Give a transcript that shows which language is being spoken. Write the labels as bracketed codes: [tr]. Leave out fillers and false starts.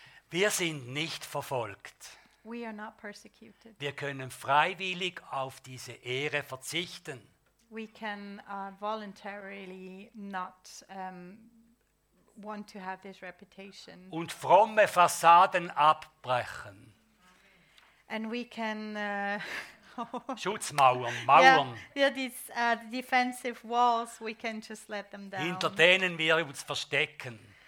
[de] Wir sind nicht verfolgt. [en] We are not persecuted. [de] Wir können freiwillig auf diese Ehre verzichten. [en] We can voluntarily not want to have this reputation. [de] Und fromme Fassaden abbrechen. [en] And we can. [de] Schutzmauern, Mauern. [en] Yeah, these defensive walls, we can just let them down. [de] Hinter denen wir uns verstecken.